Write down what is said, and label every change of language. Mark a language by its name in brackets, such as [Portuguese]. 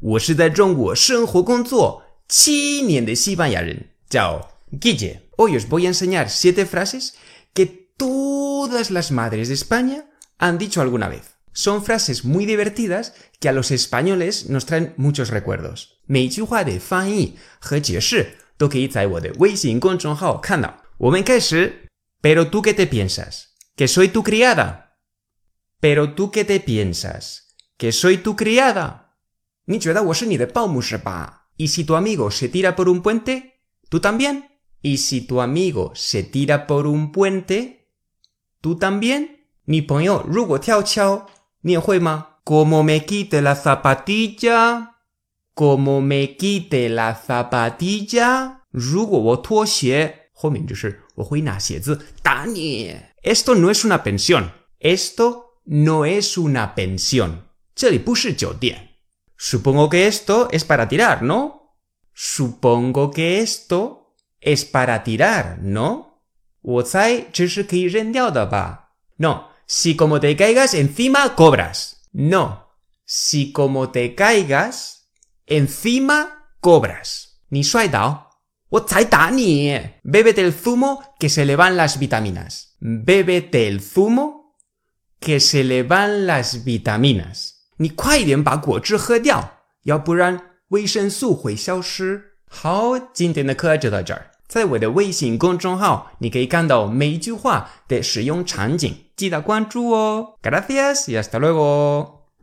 [Chinese] 我是在中国生活工作七年的西班牙人，叫 Guille。 [Spanish] Hoy os voy a enseñar siete frases que todas las madres de España han dicho alguna vez. Son frases muy divertidas que a los españoles nos traen muchos recuerdos. [Chinese] 每句话的翻译和解释都可以在我的微信公众号看到。我们开始。 [Spanish] Pero tú qué te piensas? Que soy tu criada. Pero tú qué te piensas? Que soy tu criada. [Chinese] 你觉得我是你的保姆是吧？ [Spanish] Y si tu amigo se tira por un puente, tú también. Y si tu amigo se tira por un puente, tú también. [Chinese] 女朋友如果跳桥，你也会吗？ [Spanish] Como me quite la zapatilla, como me quite la zapatilla. [Chinese] 如果我脱鞋，后面就是我会拿鞋子打你。 [Spanish] Esto no es una pensión. Esto no es una pensión. [Chinese] 这里不是酒店。 [Spanish] Supongo que esto es para tirar, ¿no? Supongo que esto es para tirar, ¿no? [Chinese] 我猜这是可以扔掉的吧。 [Spanish] No, si como te caigas encima cobras. No, si como te caigas encima cobras. [Chinese] 你摔倒，我再打你。 [Spanish] Bébete el zumo que se le van las vitaminas. Bébete el zumo que se le van las vitaminas. [Chinese] 你快点把果汁喝掉，要不然维生素会消失。好，今天的课就到这儿。在我的微信公众号，你可以看到每一句话的使用场景，记得关注哦。 [Spanish] Gracias y hasta luego。